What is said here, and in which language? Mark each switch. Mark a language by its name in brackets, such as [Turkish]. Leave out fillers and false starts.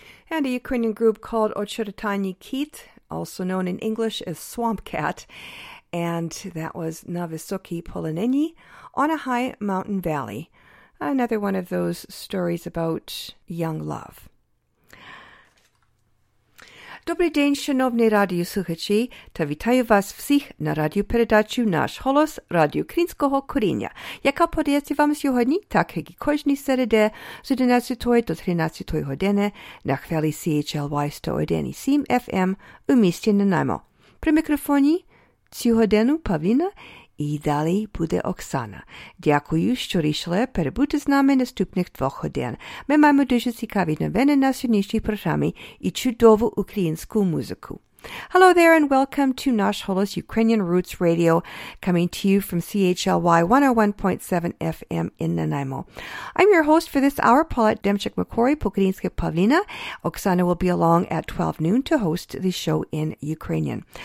[English] And a Ukrainian group called Ocheretanyi Kit, also known in English as Swamp Cat, and that was Na Visoki Poloneni, on a high mountain valley. Another one of those stories about young love. [Ukrainian] Добрий день, шановні радіослухачі, та вітаю вас всіх на радіопередачі «Наш голос» Радіо Українського коріння, яка подається вам сьогодні, так як і кожні середи з 11 до 13 години на хвилі CHLY 101.7 FM у місті Нанаймо. При мікрофоні цю годину Павліна і далі буде Оксана. Дякую, що рішили перебути з нами наступних двох годин. Ми маємо дуже цікаві новини на сьогоднішній програмі і чудову українську музику. [English] Hello there and welcome to Nash Holos Ukrainian Roots Radio, coming to you from CHLY 101.7 FM in Nanaimo. I'm your host for this hour, Paulette Demchik-McCory, Pokrinska Pavlina. Oksana will be along at 12 noon to host the show in Ukrainian.